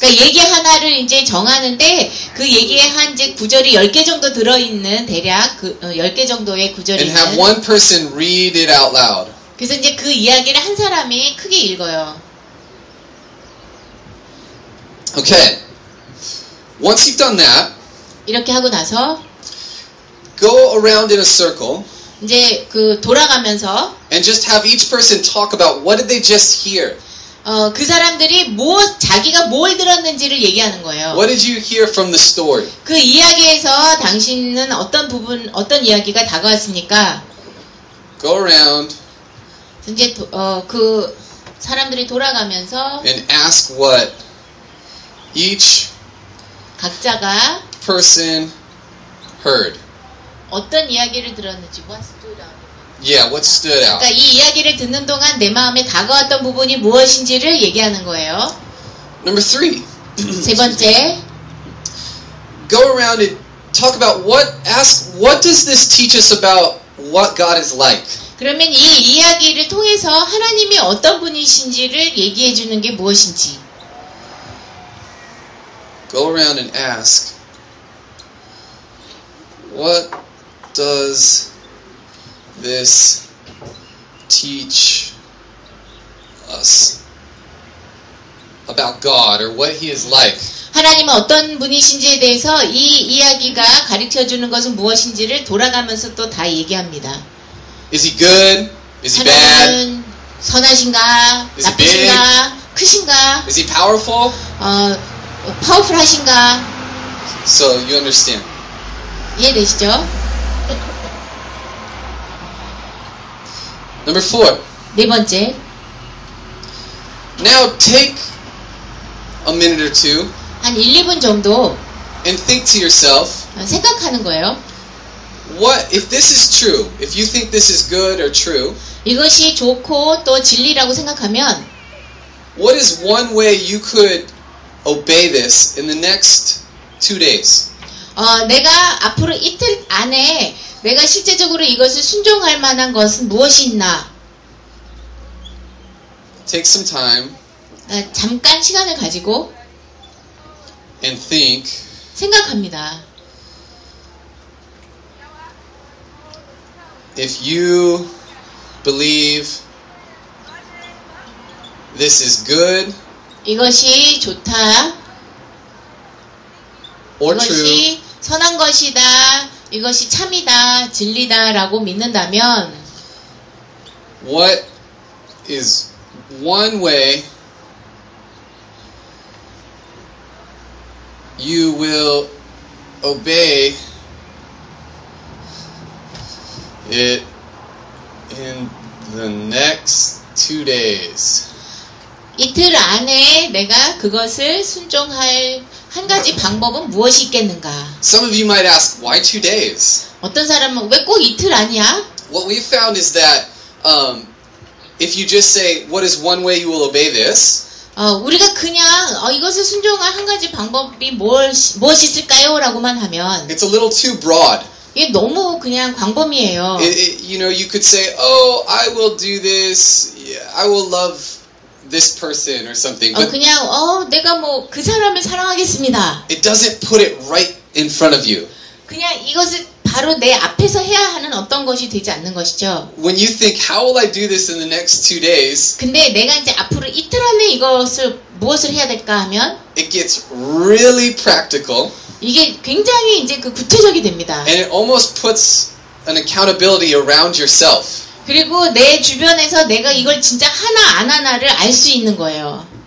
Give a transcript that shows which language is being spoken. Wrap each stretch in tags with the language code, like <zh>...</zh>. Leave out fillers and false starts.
<ko>그러니까 얘기 하나를 이제 정하는데 그 얘기에 한 이제 구절이 10개 정도 들어있는 대략 그 10개 정도의 구절이 있는.</ko> <en>And have one person read it out loud.</en> <ko>그래서 이제 그 이야기를 한 사람이 크게 읽어요.</ko> <en>Okay. Once you've done that.</en> <ko>이렇게 하고 나서.</ko> <en>Go around in a circle.</en> <ko>이제 그 돌아가면서.</ko> <en>And just have each person talk about what did they just hear.</en> <ko>그 사람들이 무엇 자기가 뭘 들었는지를 얘기하는 거예요.</ko> <en>What did you hear from the story?</en> <ko>그 이야기에서 당신은 어떤 부분 어떤 이야기가 다가왔습니까?</ko> <en>Go around.</en> <ko>이제 그 사람들이 돌아가면서</ko> <en>and ask what each</en> <ko>각자가</ko> <en>person heard.</en> <ko>어떤 이야기를 들었는지</ko> <en>what stood out. Yeah, what stood out?</en> <ko>그러니까 이 이야기를 듣는 동안 내 마음에 다가왔던 부분이 무엇인지를 얘기하는 거예요.</ko> <en>Number three.</en> <ko>세 번째.</ko> <en>Go around and talk about what. Ask what does this teach us about what God is like?</en> <ko>그러면 이 이야기를 통해서 하나님이 어떤 분이신지를 얘기해 주는 게 무엇인지.</ko> <en>Go around and ask what does this teach us about God or what He is like.</en> <ko>하나님은 어떤 분이신지에 대해서 이 이야기가 가르쳐 주는 것은 무엇인지를 돌아가면서 또 다 얘기합니다.</ko> <en>Is He good? Is He bad?</en> <ko>하나님은 선하신가? 나쁘신가? 크신가?</ko> <en>Is He powerful?</en> <ko>파워풀하신가?</ko> <en>So you understand?</en> <ko>이해되시죠?</ko> <en>Number four.</en> <ko>네 번째.</ko> <en>Now take a minute or two.</en> <ko>한 1, 2분 정도.</ko> <en>And think to yourself.</en> <ko>생각하는 거예요.</ko> <en>What if this is true? If you think this is good or true.</en> <ko>이것이 좋고 또 진리라고 생각하면.</ko> <en>What is one way you could obey this in the next 2 days?</en> <ko>내가 앞으로 이틀 안에 내가 실제적으로 이것을 순종할 만한 것은 무엇이 있나?</ko> <en>Take some time.</en> <ko>잠깐 시간을 가지고</ko> <en>and think.</en> <ko>생각합니다.</ko> <en>if you believe this is good,</en> <ko>이것이 좋다,</ko> <en>or true,</en> <ko>이것이 선한 것이다, 이것이 참이다, 진리다라고 믿는다면,</ko> <en>what is one way you will obey it in the next 2 days?</en> <ko>이틀 안에 내가 그것을 순종할 한 가지 방법은 무엇이 있겠는가?</ko> <en>Some of you might ask, why 2 days?</en> <ko>어떤 사람은 왜 꼭 이틀 아니야?</ko> <en>What we found is that if you just say, what is one way you will obey this?</en> <ko>우리가 그냥 이것을 순종할 한 가지 방법이 무엇이 있을까요? 라고만 하면</ko> <en>it's a little too broad.</en> <ko>이게 너무 그냥 광범위해요.</ko> <en>You know, you could say, oh, I will do this. I will love this person or something. But</en> <ko>그냥 내가 뭐 그 사람을 사랑하겠습니다.</ko> <en>It doesn't put it right in front of you.</en> <ko>그냥 이것을 바로 내 앞에서 해야 하는 어떤 것이 되지 않는 것이죠.</ko> <en>When you think, how will I do this in the next 2 days?</en> <ko>근데 내가 이제 앞으로 이틀 안에 이것을 무엇을 해야 될까 하면</ko> <en>it gets really practical.</en> <ko>이게 굉장히 이제 그 구체적이 됩니다.</ko> <en>And it almost puts an accountability around yourself.</en> <ko>그리고 내 주변에서 내가 이걸 진짜 하나 안 하나를 알 수 있는 거예요.</ko>